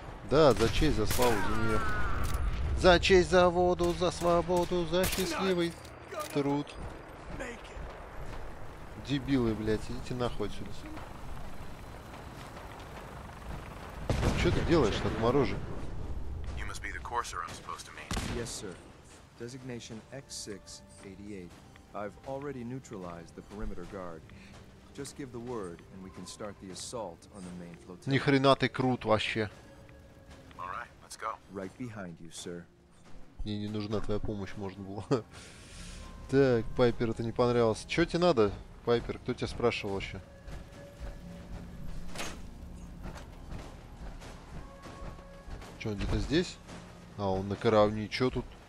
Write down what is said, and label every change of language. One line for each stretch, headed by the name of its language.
Russian: Да, за честь, за славу, за нее. За честь, за воду, за свободу, за счастливый труд. Дебилы, блядь, идите нахуй отсюда. Что ты делаешь, отморожи?
English: You must be the courser I'm supposed to meet. Yes, sir. Designation X688. I've already neutralized the perimeter guard. Just give the word, and we can start the assault on the main flotilla.
Russian: Ни хрена ты крут вообще.
English: All right, let's go. Right behind you, sir.
Russian: Мне не нужна твоя помощь, можно было. Так, Пайпер, это не понравилось. Чё тебе надо, Пайпер? Кто тебя спрашивал вообще? Что, он где-то здесь? А, он на корабле. Ничего тут.